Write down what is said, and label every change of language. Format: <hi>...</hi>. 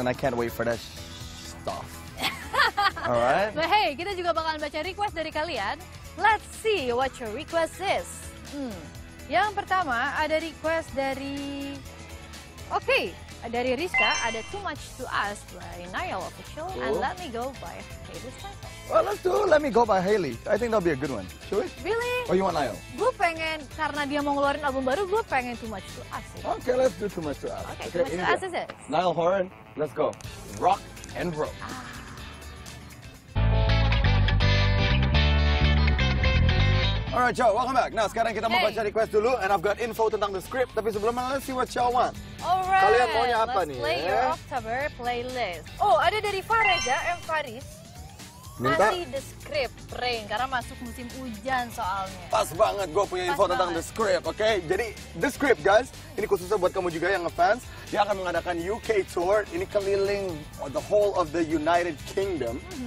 <en>And I can't wait for that stuff. Alright? But hey,</en> <id>kita juga bakalan baca request dari kalian.</id> <en>Let's see what your request is.</en> <id>Yang pertama, ada request dari...</id> <en>Okay, dari Rizka, ada Too Much to Ask by Niall Official. Cool. And Let Me Go by Hayley's title. Well, let's do Let Me Go by Hayley. I think that'll be a good one. Should we? Really? Oh, you want Niall?</en> <id>Gue pengen, karena dia mau ngeluarin album baru, gue pengen Too Much to Ask.</id> <en>Okay, let's do Too Much to Ask. Okay, okay, Too Much to Ask is it. Niall Horan, let's go. Rock and roll. Ah. Alright, y'all, welcome back.</en> <id>Nah, sekarang kita mau baca request dulu,</id> <en>and I've got info tentang the script.</en> <id>Tapi sebelumnya,</id> <en>let's see what y'all want. Alright.</en> <id>Kalian maunya apa nih?</id> <en>Let's play your October playlist.</en> <id>Oh, ada dari Fareja, M. Faris. Minta? Masih the script, Ring, karena masuk musim hujan soalnya. Pas banget, gue punya info tentang the script, oke? Okay? Jadi, the script, guys, ini khususnya buat kamu juga yang ngefans. Dia akan mengadakan UK tour, ini keliling</id> <en>the whole of the United Kingdom.</en>